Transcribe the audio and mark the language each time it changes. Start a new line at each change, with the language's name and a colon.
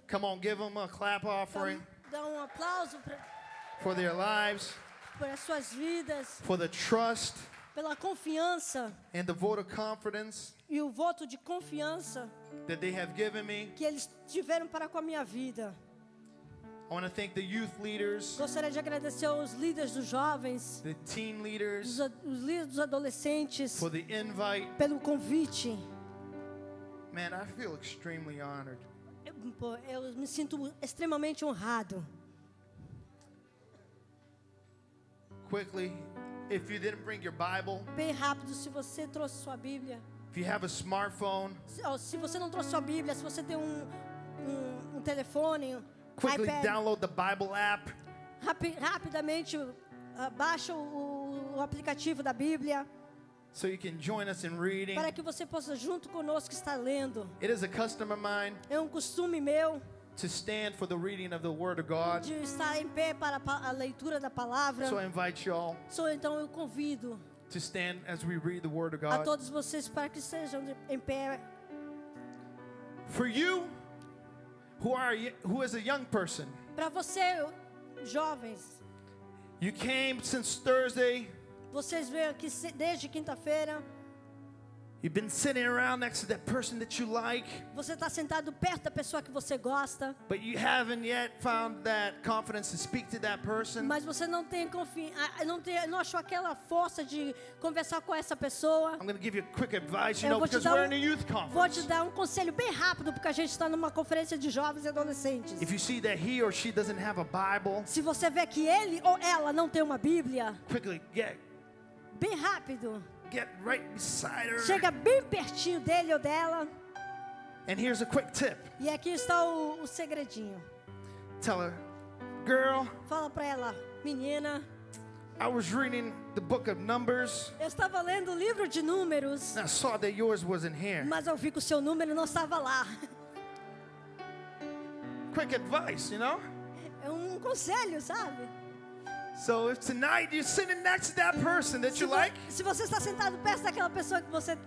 English: Come on, give them a clap offering.
Portuguese: Dá um aplauso
English: for their lives,
Portuguese: por as suas vidas,
English: for the trust,
Portuguese: pela confiança,
English: and the vote of confidence,
Portuguese: e o voto de confiança,
English: that they have given me,
Portuguese: que eles tiveram para com a minha vida.
English: I want to thank the youth leaders.
Portuguese: Gostaria de agradecer aos líderes dos jovens.
English: The teen leaders.
Portuguese: Os líderes dos adolescentes.
English: For the invite.
Portuguese: Pelo convite.
English: Man, I feel extremely honored.
Portuguese: Eu me sinto extremamente honrado.
English: Quickly, if you didn't bring your Bible.
Portuguese: Bem rápido, se você trouxe sua Bíblia.
English: If you have a smartphone.
Portuguese: Se você não trouxe sua Bíblia, se você tem um telefone.
English: Quickly iPad. Download the Bible app.
Portuguese: Rapidamente baixa o aplicativo da Bíblia.
English: So you can join us in reading.
Portuguese: Para que você possa junto conosco estar lendo.
English: It is a custom of mine.
Portuguese: É um costume meu.
English: To stand for the reading of the Word of God.
Portuguese: De estar em pé para a leitura da palavra.
English: So I invite you all.
Portuguese: So, então eu convido.
English: To stand as we read the Word of God.
Portuguese: A todos vocês para que sejam em pé.
English: For you. Who is a young person?
Portuguese: Para você, jovens.
English: You came since Thursday.
Portuguese: Vocês vêm aqui desde quinta-feira.
English: You've been sitting around next to that person that you like.
Portuguese: Você tá sentado perto da pessoa que você gosta.
English: But you haven't yet found that confidence to speak to that person.
Portuguese: Mas você não tem não achou aquela força de conversar com essa pessoa.
English: I'm going to give you a quick advice, you know, because we're in a youth conference.
Portuguese: Vou te dar conselho bem rápido porque a gente está numa conferência de jovens e adolescentes.
English: If you see that he or she doesn't have a Bible.
Portuguese: Se você vê que ele ou ela não tem uma Bíblia.
English: Quickly, get.
Portuguese: Bem rápido.
English: Get right beside her.
Portuguese: Chega bem pertinho dele ou dela.
English: And here's a quick tip.
Portuguese: E aqui está o segredinho.
English: Tell her, girl.
Portuguese: Fala para ela, menina.
English: I was reading the book of Numbers.
Portuguese: Eu estava lendo o livro de Números.
English: I saw that yours wasn't here.
Portuguese: Mas eu vi que o seu número não estava lá.
English: Quick advice, you know?
Portuguese: É conselho, sabe?
English: So if tonight you're sitting next to that person that you like,
Portuguese: se você está sentado perto daquela pessoa que você gosta,